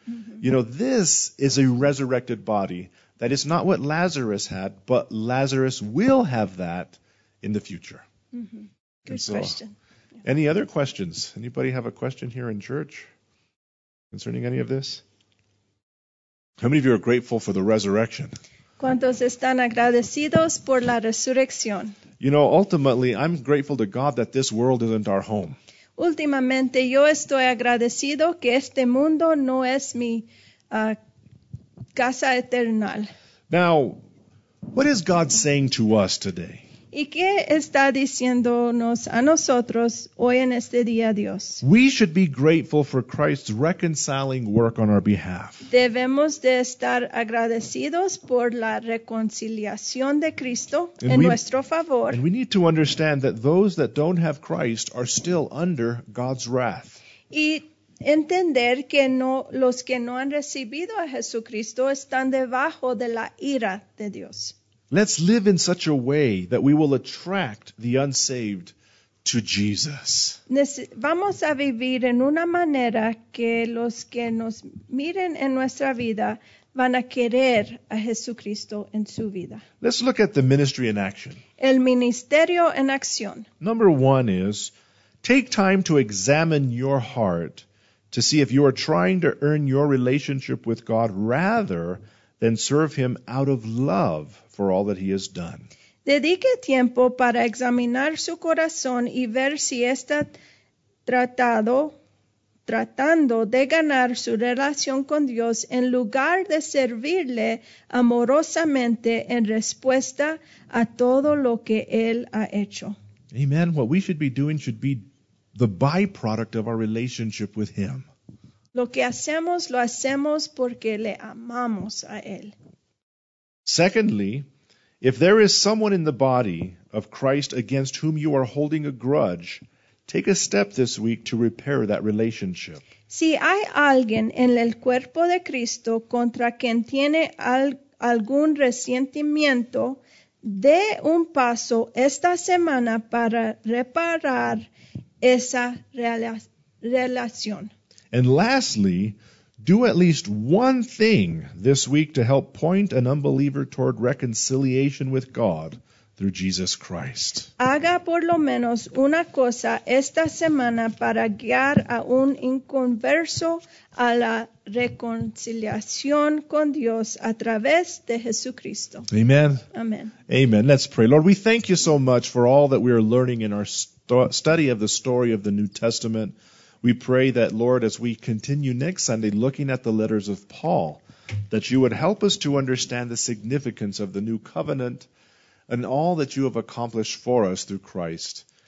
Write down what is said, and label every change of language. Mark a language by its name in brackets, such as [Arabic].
[English] Mm-hmm. You know, this is a resurrected body. That is not what Lazarus had, but Lazarus will have that in the future. Mm-hmm. Good question. Any other questions? Anybody have a question here in church concerning any of this? How many of you are grateful for the resurrection? [Spanish] ¿Cuántos están agradecidos por la resurrección? [English] You know, ultimately, I'm grateful to God that this world isn't our home. [Spanish] Últimamente, yo estoy agradecido que este mundo no es mi casa eterna. [English] Now, what is God saying to us today? [Spanish] ¿Y qué está diciéndonos a nosotros hoy en este día, Dios? [English] We should be grateful for Christ's reconciling work on our behalf. [Spanish] Debemos de estar agradecidos por la reconciliación de Cristo en nuestro favor. [English] And we need to understand that those that don't have Christ are still under God's wrath. [Spanish] Y entender que no, los que no han recibido a Jesucristo están debajo de la ira de Dios. [English] Let's live in such a way that we will attract the unsaved to Jesus. [Spanish] Vamos a vivir en una manera que los que nos miren en nuestra vida van a querer a Jesucristo en su vida. [English] Let's look at the ministry in action. [Spanish] El ministerio en acción. [English] Number one is, take time to examine your heart to see if you are trying to earn your relationship with God rather than serve him out of love for all that he has done. [Spanish] Dedique tiempo para examinar su corazón y ver si está tratando de ganar su relación con Dios en lugar de servirle amorosamente en respuesta a todo lo que él ha hecho. [English] Amen. What we should be doing should be the byproduct of our relationship with him. [Spanish] Lo que hacemos, lo hacemos porque le amamos a él. [English] Secondly, if there is someone in the body of Christ against whom you are holding a grudge, take a step this week to repair that relationship. [Spanish] Si hay alguien en el cuerpo de Cristo contra quien tiene algún resentimiento, dé un paso esta semana para reparar esa relación. [English] And lastly, do at least one thing this week to help point an unbeliever toward reconciliation with God through Jesus Christ. [Spanish] Haga por lo menos una cosa esta semana para guiar a un inconverso a la reconciliación con Dios a través de Jesucristo. [English] Amen. Amen. Amen. Let's pray. Lord, we thank you so much for all that we are learning in our study of the story of the New Testament. We pray that, Lord, as we continue next Sunday looking at the letters of Paul, that you would help us to understand the significance of the new covenant and all that you have accomplished for us through Christ.